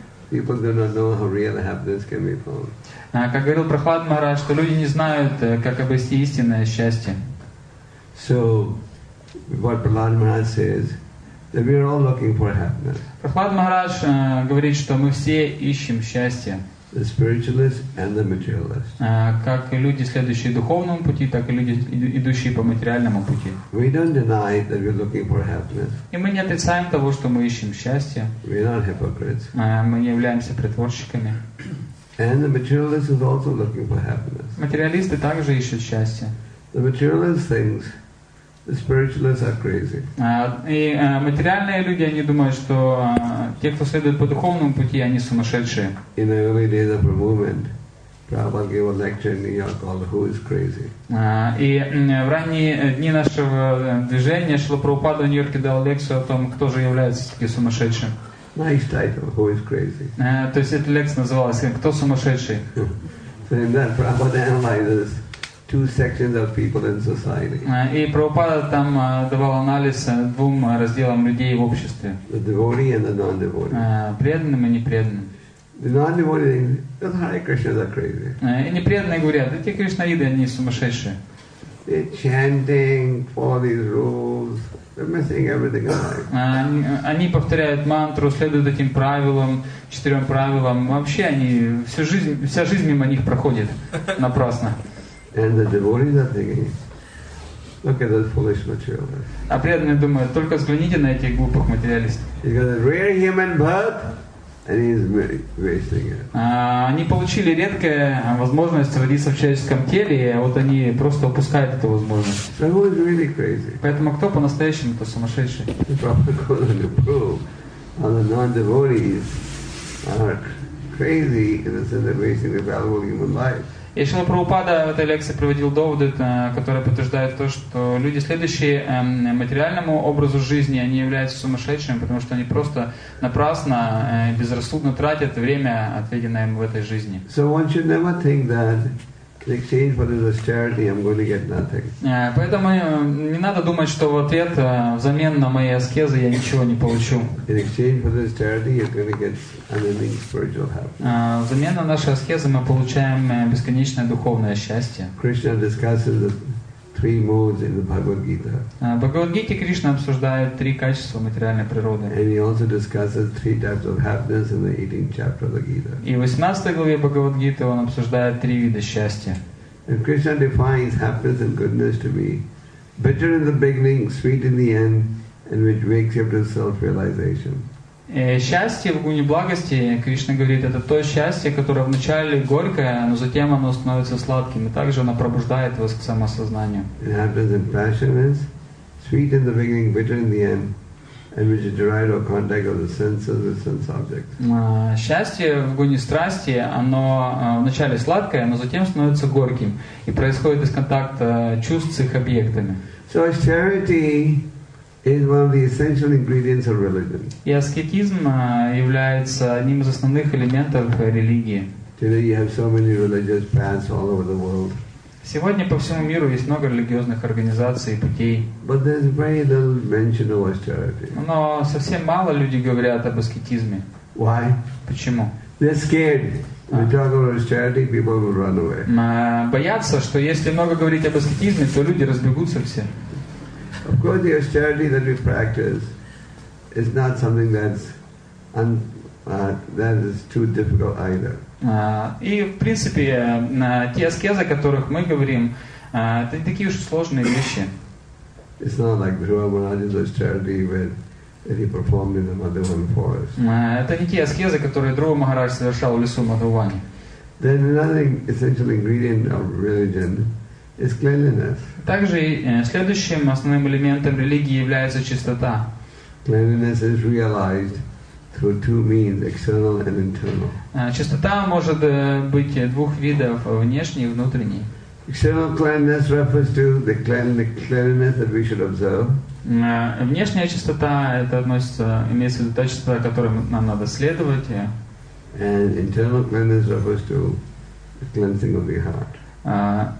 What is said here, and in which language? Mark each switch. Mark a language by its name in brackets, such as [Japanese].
[English] People do not know how real happiness can be found. [Russian] Как говорил Прохлад Махарадж, что люди не знают, как обрести истинное счастье. [English] So, what Прохлад Махарадж says, that we are all looking for happiness. [Russian] Прохлад Махарадж говорит, что мы все ищем счастье. [English] The spiritualist and the materialist. [Russian] Как и люди, следующие духовному пути, так и люди, идущие по материальному пути. [English] We don't deny that we're looking for happiness. [Russian] И мы не отрицаем того, что мы ищем счастье. [English] We're not hypocrites. [Russian] Мы не являемся притворщиками. [English] And the materialist is also looking for happiness. [Russian] Материалисты также ищут счастье. [English] The materialist thinks the spiritualists are crazy. [Russian] Материальные люди, они думают, что те, кто следует по духовному пути, они сумасшедшие. [English] In the early days of the movement, Prabhupada gave a lecture in New York called "Who is Crazy?" [Russian] И в ранние дни нашего движения Шрила Прабхупада в Нью-Йорке дал лекцию о том, кто же является таким сумасшедшим. [English] Nice title, "Who is Crazy?" [Russian] То есть эта лекция называлась "Кто сумасшедший?" [English] So in that, Prabhupada analyzes two sections of people in society. [Russian] И Прабхупада там давал анализ двум разделам людей в обществе. [English] The devotee and the non-devotee. [Russian] Преданным и непреданным. [English] The non-devotee think the Hare Krishnas are crazy. [Russian] И непреданные говорят, эти кришнаиды, они сумасшедшие. [English] They're chanting, follow these rules. They're missing everything in life. [Russian] Они повторяют мантру, следуют этим правилам, четырем правилам. Вообще они всю жизнь, вся жизнь мимо них проходит напрасно. [English] And the devotees are thinking, look at those foolish materialists. [Russian] А преданные думают, только взгляните на этих глупых материалистов. [English] He's got a rare human birth, and he's wasting it. [Russian] Они получили редкую возможность родиться в человеческом теле, а вот они просто упускают эту возможность. [English] So who is really crazy? [Russian] Поэтому кто по-настоящему то сумасшедший? [English] The Prabhupada could prove that the non-devotees are crazy in the sense of wasting their valuable human life. [Russian] И Шрила Прабхупада в этой лекции приводил доводы, которые подтверждают то, что люди, следующие материальному образу жизни, они являются сумасшедшими, потому что они просто напрасно, безрассудно тратят время, отведенное им в этой жизни. [English] So one should never think that in exchange for this austerity I'm going to get nothing. [Russian] Поэтому не надо думать, что в ответ взамен на мои аскезы я ничего не получу. [English] In exchange for this austerity you're going to get unending spiritual happiness. [Russian] Взамен на наши аскезы мы получаем бесконечное духовное счастье. [English] Krishna discusses the three modes in the Bhagavad Gita. [Russian] В Bhagavad Gita Krishna обсуждает три качества материальной природы. [English] And he also discusses three types of happiness in the 18th chapter of the Gita. [Russian] И в 18 главе Bhagavad Gita он обсуждает три вида счастья. [English] And Krishna defines happiness and goodness to be bitter in the beginning, sweet in the end, and which wakes up to self-realization. [Russian] Счастье в гуне благости, Кришна говорит, это то счастье, которое вначале горькое, но затем оно становится сладким, и также оно пробуждает вас к самосознанию. [English] And happiness and passion is sweet in the beginning, bitter in the end, and which is derived from contact of the senses with sense objects. [Russian] Счастье в гуне страсти, оно вначале сладкое, но затем становится горьким, и происходит из контакта чувств с их объектами. [English] So austerity is one of the essential ingredients of religion. [Russian] И аскетизм является одним из основных элементов религии. [English] Today you have so many religious paths all over the world. [Russian] Сегодня по всему миру есть много религиозных организаций и путей. [English] But there's very little mention of austerity. [Russian] Но совсем мало люди говорят об аскетизме. [English] Why? [Russian] Почему? [English] They're scared. We talk about austerity, people will run away. [Russian] Боятся, что если много говорить об аскетизме, то люди разбегутся все. [English] Of course, the austerity that we practice is not something that's that is too difficult either. [Russian] И в принципе те аскезы, о которых мы говорим, это не такие уж сложные вещи. [English] It's not like Guru Maharaj's austerity that he performed in the Madhuvan forest. [Russian] Это не те аскезы, которые Дрова Махарадж совершал в лесу Мадхувани. [English] Then another essential ingredient of religion is cleanliness. [Russian] Также следующим основным элементом религии является чистота. [English] Cleanliness is realized through two means, external and internal. [Russian] Чистота может быть двух видов, внешней и внутренней. [English] External cleanliness refers to the cleanliness that we should observe. [Russian] Внешняя чистота это относится, имеется в виду та чистота, которой нам надо следовать. [English] And internal cleanliness refers to the cleansing of the heart.